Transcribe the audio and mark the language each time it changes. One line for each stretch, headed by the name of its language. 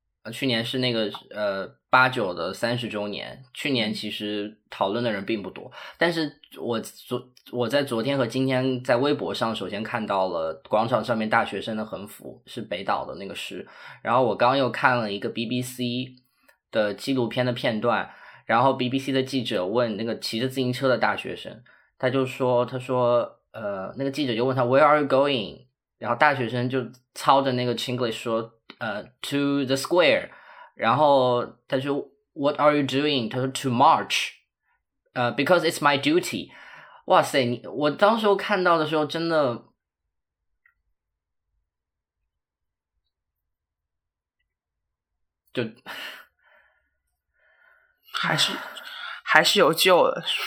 Chinese: 去年是那个八九的30周年，去年其实讨论的人并不多，但是我在昨天和今天在微博上首先看到了广场上面大学生的横幅是北岛的那个诗，然后我刚又看了一个 BBC 的纪录片的片段，然后 BBC 的记者问那个骑着自行车的大学生，他说那个记者就问他
English: Where are you going？
Chinese: 然后大学生就操着那个 Chinglish 说
English: to the square，
Chinese: 然后他说
English: What are you doing？
Chinese: 他说
English: To march， because it's my duty。
Chinese: 哇塞，我当时看到的时候真的就还是有救的。